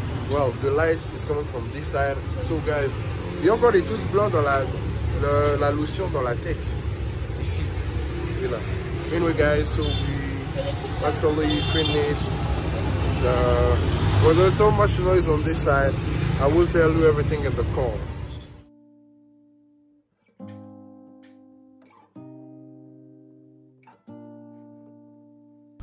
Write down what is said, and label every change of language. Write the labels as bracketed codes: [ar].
[en] Well, the light is coming from this side. [fr] So guys, il y a encore des trucs blancs dans la lotion dans la tête ici. Voilà. [en] Anyway guys, so we actually finished the, well, there's so much noise on this side. I will tell you everything in the car.